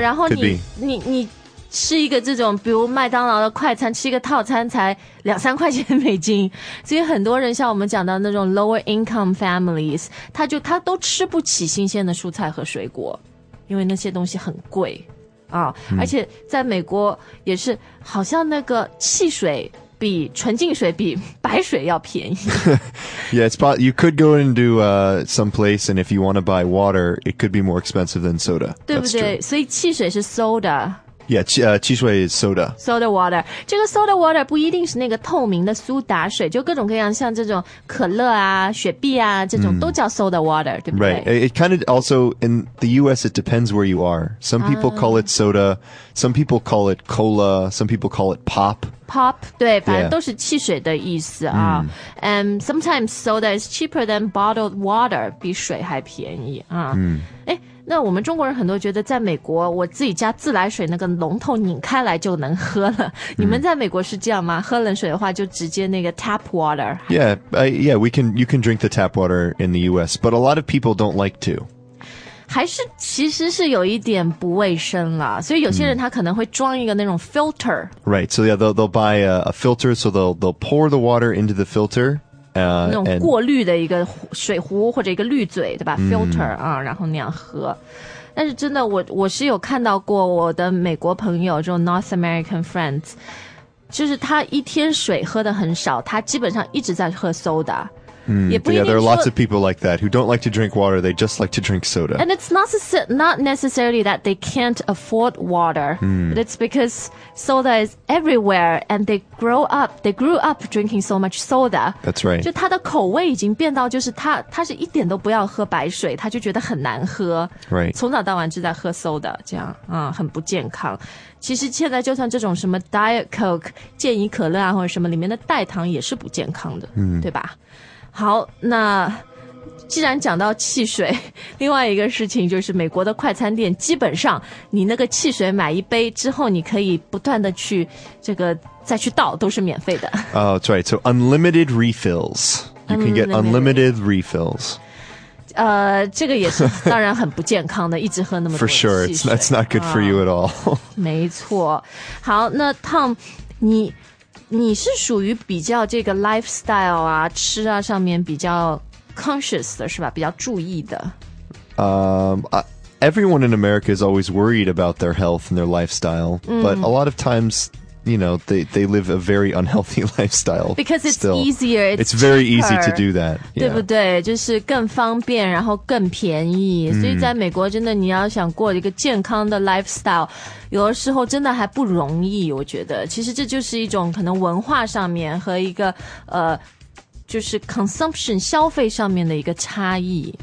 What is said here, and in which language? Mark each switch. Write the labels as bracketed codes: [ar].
[zh] 然后你吃一个这种比如麦当劳的快餐吃一个套餐才两三块钱美金所以很多人像我们讲到那种 [en] lower income families [zh] 他都吃不起新鲜的蔬菜和水果因为那些东西很贵啊、嗯，而且在美国也是好像那个汽水比纯净水比白水要便宜 [en] Yeah, it's possible you could go into some place and if you want to buy water it could be more expensive than soda [zh] 对不对所以汽水是 soda [en] Yeah, 汽水 is soda. Soda water. [zh] 这个 soda water 不一定是那个透明的苏打水就各种各样像这种可乐啊雪碧啊这种、mm. 都叫 soda water, 对不对 [en] Right. It kind of also, in the US, it depends where you are. Some people、 ah. call it soda, some people call it cola, some people call it pop. [zh] Pop, 对反正都是汽水的意思啊。 [en] Yeah. And sometimes soda is cheaper than bottled water, [zh] 比水还便宜啊。嗯、mm. 那我们中国人很多觉得在美国我自己家自来水那个龙头拧开来就能喝了、mm. 你们在美国是这样吗喝冷水的话就直接那个 tap water [en] yeah, yeah we can, you can drink the tap water in the US but a lot of people don't like to [zh] 还是其实是有一点不卫生了所以有些人他可能会装一个那种 filter、mm. [en] right so yeah they'll buy a filter so they'll pour the water into the filter [zh] 那种过滤的一个水壶或者一个滤嘴对吧、mm. filter 啊，然后那样喝但是真的我是有看到过我的美国朋友这种 [en] North American friends [zh] 就是他一天水喝的很少他基本上一直在喝 soda、 mm. 也不一定 [en] yeah, there are lots of people like that who don't like to drink water they just like to drink soda and it's not necessarily that they can't afford water、 mm. but it's because soda is everywhere and they grew up drinking so much soda. That's right. [zh] 就他的口味已经变到就是他是一点都不要喝白水他就觉得很难喝。 [en] Right. [zh] 从早到晚就在喝 soda, 这样、嗯、很不健康。其实现在就算这种什么 diet coke, 健怡可乐啊或者什么里面的代糖也是不健康的、嗯、对吧好那既然讲到汽水另外一个事情就是美国的快餐店基本上你那个汽水买一杯之后你可以不断的去这个再去倒都是免费的 [en] Oh, that's right. So unlimited refills. You can get unlimited refills. [zh] 这个也是当然很不健康的一直喝那么多 [en] 汽水 For sure, that's not good for you at all. [zh] 没错。好那 Tom, 你是属于比较这个 lifestyle 啊吃啊上面比较 conscious 的是吧比较注意的。 [en] Everyone in America is always worried about their health and their lifestyle,、 mm. but a lot of times... You know, they live a very unhealthy lifestyle. Because it's、still. easier. It's cheaper, very easy to do that.、Yeah. [zh] 对不对就是更方便然后更便宜、mm. 所以在美国真的你要想过一个健康的 lifestyle, 有的时候真的还不容易我觉得。其实这就是一种可能文化上面和一个就是 consumption, 消费上面的一个差异。